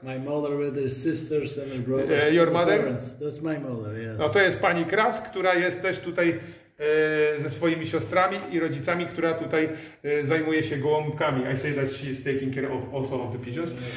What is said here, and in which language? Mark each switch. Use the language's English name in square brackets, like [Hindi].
[English] My mother with her sisters and her brother. Your mother? That's my mother, yes. [Polish] No to jest pani Kras, która jest też tutaj ze swoimi siostrami i rodzicami, która tutaj zajmuje się gołąbkami. [English] I say that she's taking care of also of the pigeons.